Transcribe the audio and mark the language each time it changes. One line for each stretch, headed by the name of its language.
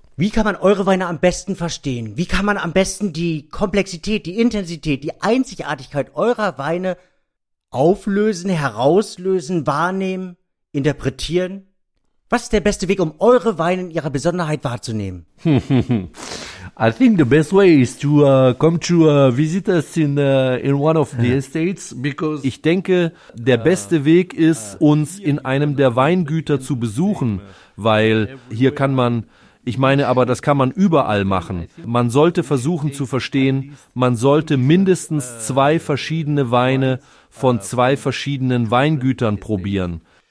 German: Wie kann man eure Weine am besten verstehen? Wie kann man am besten die Komplexität, die Intensität, die Einzigartigkeit eurer Weine auflösen, herauslösen, wahrnehmen, interpretieren? Was ist der beste Weg, um eure Weine in ihrer Besonderheit wahrzunehmen?
English: I think the best way is to come to visit us in one of the estates because
German: ich denke, der beste Weg ist, uns in einem der Weingüter zu besuchen, weil hier kann man, ich meine aber, das kann man überall machen. Man sollte versuchen zu verstehen, man sollte mindestens zwei verschiedene Weine von zwei verschiedenen Weingütern probieren.